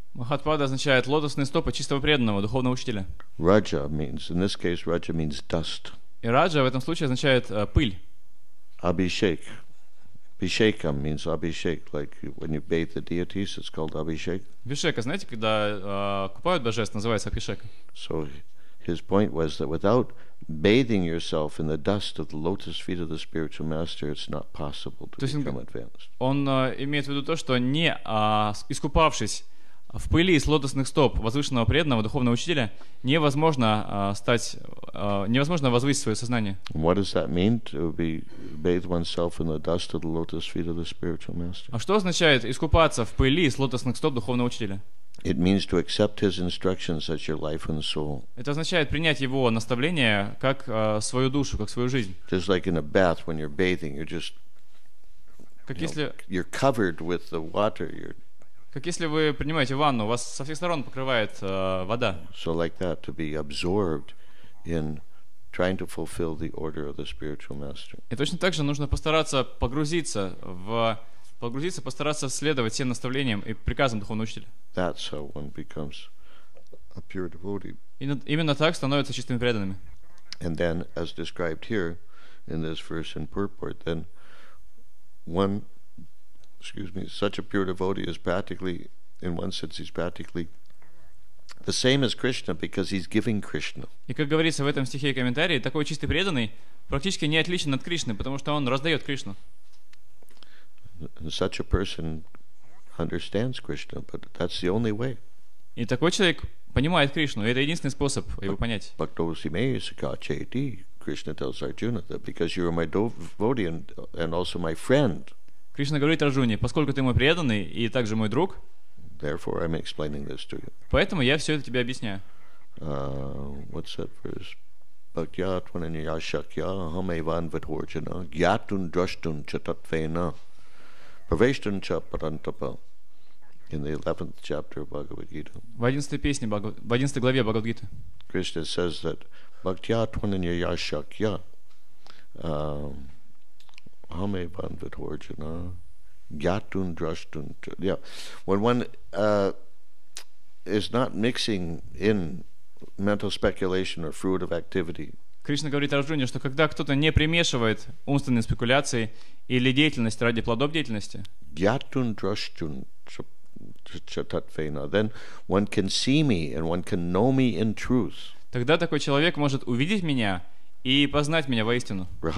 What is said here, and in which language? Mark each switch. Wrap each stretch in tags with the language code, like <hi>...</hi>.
<ru>Махатпада означает лотосные стопы чистого преданного, духовного учителя.</ru> <en>Раджа means, in this case, Раджа means dust.</en> <ru>И Раджа в этом случае означает пыль.</ru> <en>Абишек. Бишекам means абишек. Like when you bathe the deities, it's called абишек.</en> <ru>Бишека, знаете, когда купают божеств, называется абишек.</ru> <en>So his point was that without bathing yourself in the dust of the lotus feet of the spiritual master, it's not possible to become advanced.</en> <ru>Он имеет в виду то, что не искупавшись в пыли из лотосных стоп возвышенного преданного духовного учителя, невозможно стать, невозможно возвысить свое сознание.</ru> <en>What does that mean to be bathe oneself in the dust of the lotus feet of the spiritual master?</en> <ru>А что означает искупаться в пыли из лотосных стоп духовного учителя?</ru> <en>It means to accept his instructions as your life and soul.</en> <ru>Это означает принять его наставления как свою душу, как свою жизнь.</ru> <en>Just like in a bath, when you're bathing, you're just</en> <ru>как если</ru> <en>you're covered with the water. You're</en> <ru>как если вы принимаете ванну, вас со всех сторон покрывает вода.</ru> <en>So like that, to be absorbed in trying to fulfill the order of the spiritual master.</en> <ru>И точно так же нужно постараться погрузиться в погрузиться, постараться следовать всем наставлениям и приказам духовного учителя.</ru> <en>That's how one becomes a pure devotee.</en> <ru>И именно так становятся чистыми преданными.</ru> <en>And then, as described here in this verse in purport, then one, excuse me, such a pure devotee is practically, in one sense, he's practically the same as Krishna because he's giving Krishna.</en> <ru>И как говорится в этом стихе и комментарии, такой чистый преданный практически не отличен от Кришны, потому что он раздает Кришну.</ru> <en>And such a person understands Krishna, but that's the only way.</en> <ru>И такой человек понимает Кришну, и это единственный способ его понять.</ru> <en>Bhaktosimeyasakacheti, Krishna tells Arjuna that because you are my devotee and also my friend.</en> <ru>Кришна говорит Арджуне, поскольку ты мой преданный и также мой друг.</ru> <en>Therefore, I'm explaining this to you.</en> <ru>Поэтому я все это тебе объясняю.</ru> <en>What's that verse?</en> <sa>Bhaktyatvanyashakya hamayvanvatvorjana gyatun drashtun chatatvena. Praveshtun cha parantapa</sa> <en>in the 11th chapter of Bhagavad Gita.</en> <ru>В 11-й песне, в 11-й главе Бхагавад Гиты.</ru> <en>Krishna says that</en> <sa>bhaktya tvanya yashakya hame bandhit horjana gyatun drashtun cha.</sa> <en>Yeah. When one is not mixing in mental speculation or fruitive activity.</en> <ru>Кришна говорит Арджуне, что когда кто-то не примешивает умственные спекуляции или деятельность ради плодов деятельности, тогда такой человек может увидеть меня и познать меня воистину.</ru>